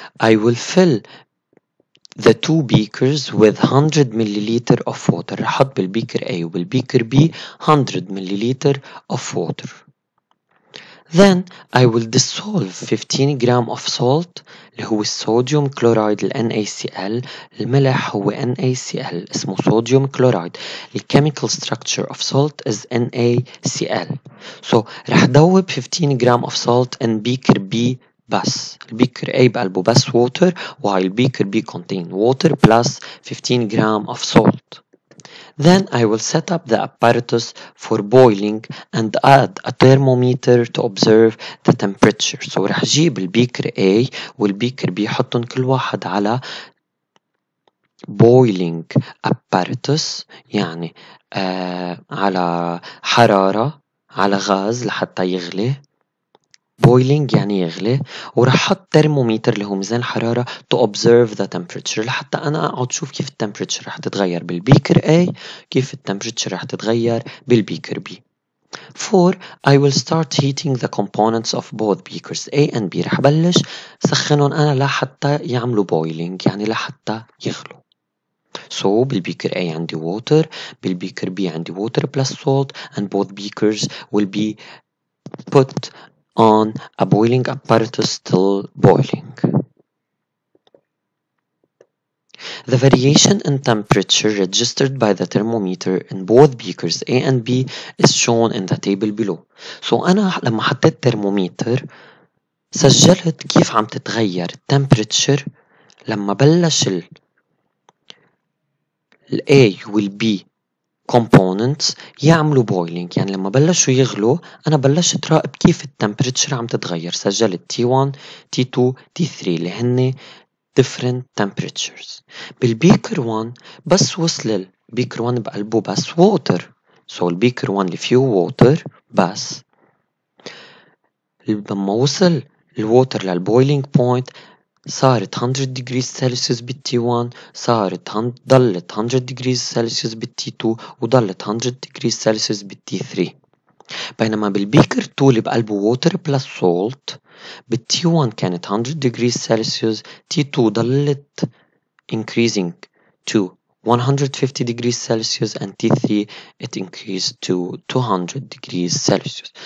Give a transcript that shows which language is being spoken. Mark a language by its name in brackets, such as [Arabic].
[English] I will fill the two beakers with 100 milliliter of water. [Arabic] رح أحط بالبيكر A وبالبيكر B [English] 100 milliliter of water. Then I will dissolve 15 gram of salt, [Arabic] اللي هو الصوديوم كلورايد ال NaCl. الملح هو NaCl اسمه صوديوم كلورايد. [English] The chemical structure of salt is NaCl. So [Arabic] رح دوب [English] 15 gram of salt in beaker B [Arabic] بس. البيكر A بقلبه بس [English] water, while beaker B contain water plus 15 gram of salt. Then I will set up the apparatus for boiling and add a thermometer to observe the temperature. [Arabic] So رح جيب البيكر A والبيكر B حطهم كل واحد على [English] boiling apparatus, [Arabic] يعني على حرارة على غاز لحتى يغلي. Boiling يعني يغلي. ورح حط thermometer اللي هو ميزان الحرارة [English] to observe the temperature [Arabic] لحتى أنا أقعد شوف كيف temperature رح تتغير بالبيكر A, كيف temperature رح تتغير بالبيكر B. 4. [English] I will start heating the components of both beakers A and B. [Arabic] رح بلش سخنهم أنا لحتى يعملوا boiling, يعني لحتى يغلوا. [English] So [Arabic] بالبيكر A عندي [English] water, [Arabic] بالبيكر B عندي [English] water plus salt, and both beakers will be put on a boiling apparatus till boiling. The variation in temperature registered by the thermometer in both beakers A and B is shown in the table below. [Arabic] So أنا لما حطيت thermometer سجلت كيف عم تتغير temperature لما بلش ال A وال B components يعملوا boiling, يعني لما بلشوا يغلوا أنا بلشت راقب كيف temperature عم تتغير. سجلت T1, T2, T3 اللي هن [English] different temperatures. [Arabic] بالبيكر 1 بس وصل البيكر 1 بقلبه بس water, so البيكر 1 اللي فيه water بس, لما وصل الwater للboiling point صارت [English] 100 degrees Celsius [Arabic] بالT1, صارت ضلت 100 degrees Celsius بالT2, وضلت 100 degrees Celsius بالT3. بينما بالبيكر 2 اللي بقلبه [English] water plus salt, بالT1 [Arabic] كانت [English] 100 degrees Celsius, T2 [Arabic] ضلت [English] increasing to 150 degrees Celsius, and T3 it increased to 200 degrees Celsius.